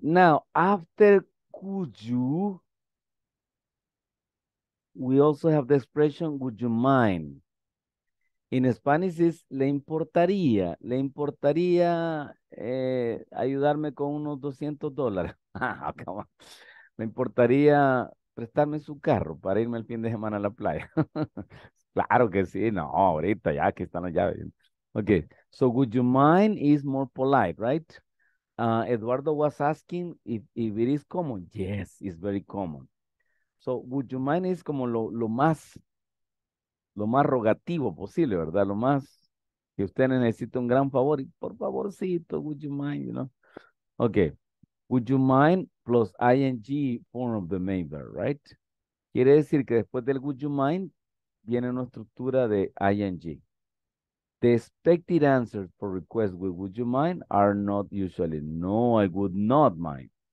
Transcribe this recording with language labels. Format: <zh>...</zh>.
<en>Now, after could you, we also have the expression, would you mind? In Spanish is,</en> <es>le importaría ayudarme con unos $200.</es> <en>Come on.</en> <es>Le importaría prestarme su carro para irme el fin de semana a la playa. Claro que sí, no, ahorita ya, aquí están las llaves.</es> <en>Okay, so would you mind is more polite, right? Eduardo was asking if it is common. Yes, it's very common. So would you mind is</en> <es>como lo más rogativo posible, ¿verdad? Lo más que usted necesita un gran favor. Por favorcito,</es> <en>would you mind, you know? Okay, would you mind plus ing form of the main verb, right?</en> <es>Quiere decir que después del</es> <en>would you mind</en> <es>viene una estructura de ing.</es> <en>The expected answers for requests with would you mind are not usually, no, I would not mind.</en>